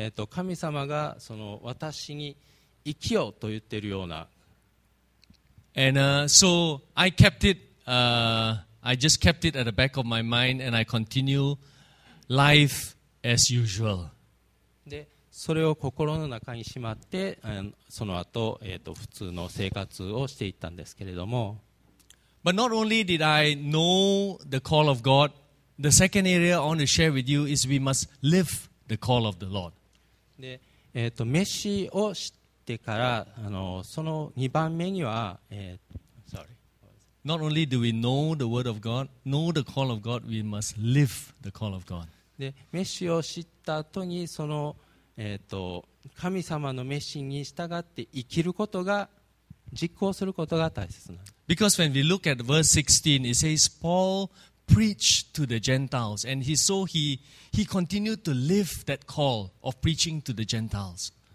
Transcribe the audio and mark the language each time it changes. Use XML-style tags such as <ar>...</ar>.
<ja>神様がその私に生きようと言っているような。</ja> <en>And so I kept it. I just kept it at the back of my mind, and I continue life as usual.</en> <ja>で、それを心の中にしまって、その後、普通の生活をしていったんですけれども。</ja> <en>But not only did I know the call of God, the second area I want to share with you is we must live the call of the Lord.</en> <ja>で、召しを知ってでからその2番目には、</ja> <en>Not only do we know the word of God, know the call of God, we must live the call of God.</en> <ja>で、メッシュを知った後にその、神様のメッシュに従って生きることが実行することが大切なんです。</ja> <en>Because when we look at verse 16, it says Paul preached to the Gentiles, and he continued to live that call of preaching to the Gentiles.</en>